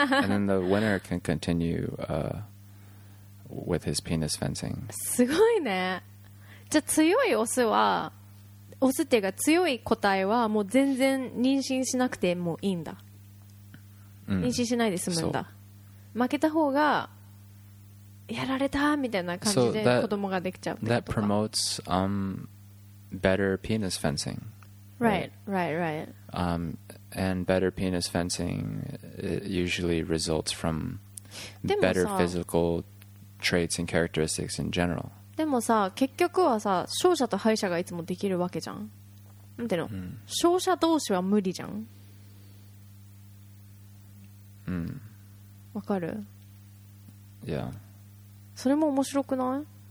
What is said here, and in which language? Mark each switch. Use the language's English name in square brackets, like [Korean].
[English] And then the winner can continue with his penis fencing. [Japanese] すごいね。じゃあ強いオスは、オスっていうか強い個体はもう全然妊娠しなくてもいいんだ。 Mm. 妊娠しないで済むんだ。負けた方が、やられたみたいな感じで子供ができちゃうってことか。 [English] That promotes better penis fencing. Right, right, right. And better penis fencing usually results from better physical traits and characteristics in general. [Japanese] でもさ、結局はさ、勝者と敗者がいつもできるわけじゃん。なんていうの？Mm. 勝者同士は無理じゃん。うん。わかる？ [English] Yeah. [Japanese] それも面白くない？